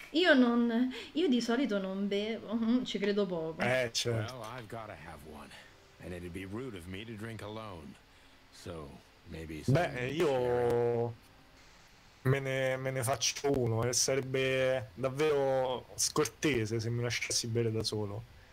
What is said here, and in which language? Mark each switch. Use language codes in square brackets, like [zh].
[it] Io di solito non bevo, ci credo poco. Certo. [en] Well, I've gotta have one. And it'd be rude of me to drink alone. So maybe. [it] Beh, io me ne faccio uno e sarebbe davvero scortese se mi lasciassi bere da solo.